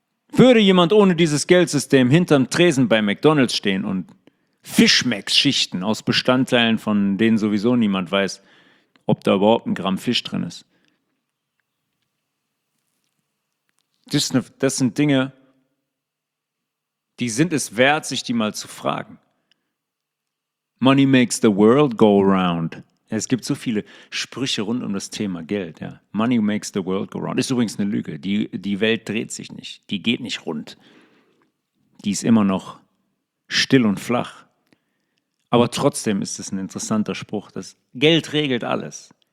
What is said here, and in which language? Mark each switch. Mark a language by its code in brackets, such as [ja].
[de] Würde jemand ohne dieses Geldsystem hinterm Tresen bei McDonald's stehen und Fischmex-Schichten aus Bestandteilen, von denen sowieso niemand weiß, ob da überhaupt ein Gramm Fisch drin ist? Das sind Dinge, die sind es wert, sich die mal zu fragen. [en] Money makes the world go round. [de] Es gibt so viele Sprüche rund um das Thema Geld. Ja. [en] Money makes the world go round. [de] Ist übrigens eine Lüge. Die Welt dreht sich nicht. Die geht nicht rund. Die ist immer noch still und flach. Aber trotzdem ist es ein interessanter Spruch, dass Geld regelt alles.